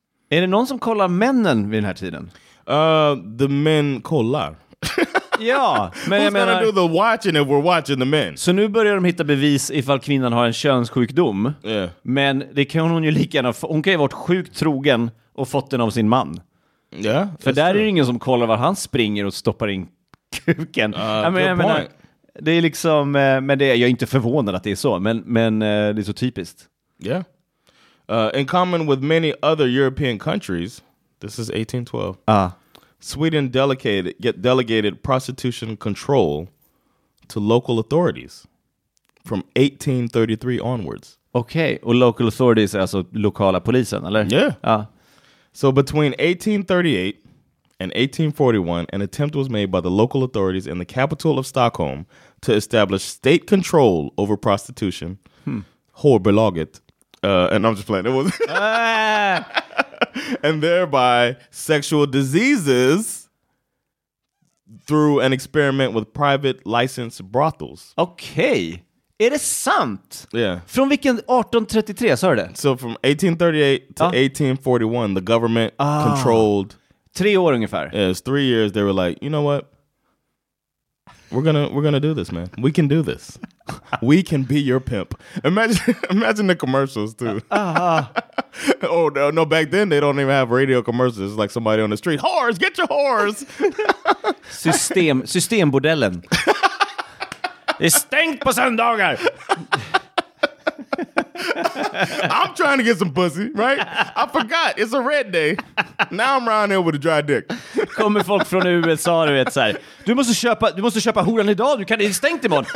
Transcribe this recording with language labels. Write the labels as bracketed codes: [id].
[sv] Är det någon som kollar männen vid den här tiden? [en] The men [sv] kollar. Ja, men [en] who's [sv] jag menar... [en] Who's gonna do the watching if we're watching the men? [sv] Så nu börjar de hitta bevis ifall kvinnan har en könssjukdom. [en] Yeah. [sv] Men det kan hon ju lika gärna... Hon kan ju ha varit sjukt trogen och fått den av sin man. Ja. [en] Yeah, [sv] för där [en] true. [sv] Är det ingen som kollar var han springer och stoppar in kuken. Jag menar, det är liksom, men det, jag är inte förvånad att det är så, men det är så typiskt. [en] Yeah. In common with many other European countries, this is 1812, Sweden delegated prostitution control to local authorities from 1833 onwards. [sv] Okej, och [en] local authorities [sv] är alltså lokala polisen, eller? [en] Yeah. So between 1838 in 1841, an attempt was made by the local authorities in the capital of Stockholm to establish state control over prostitution. Hårbelaget. And I'm just playing. It was and thereby sexual diseases through an experiment with private licensed brothels. Okay. [sv] Är det sant? [en] Yeah. [sv] Från vilken 1833, så är det? [en] So from 1838 to 1841, the government controlled... [sv] 3 år ungefär. [en] Yeah, it's 3 years. They were like, you know what? We're gonna do this, man. We can do this. We can be your pimp. Imagine the commercials too. Oh no! Back then they don't even have radio commercials. It's like somebody on the street, whores, get your whores. [sv] Systembordellen. Det är stängt på söndagar. [en] I'm trying to get some pussy, right? I forgot. It's a red day. Now I'm around here with a dry dick. [sv] Kommer folk från USA, du vet, så här. Du måste köpa horan idag. Du kan inte stänga imorgon.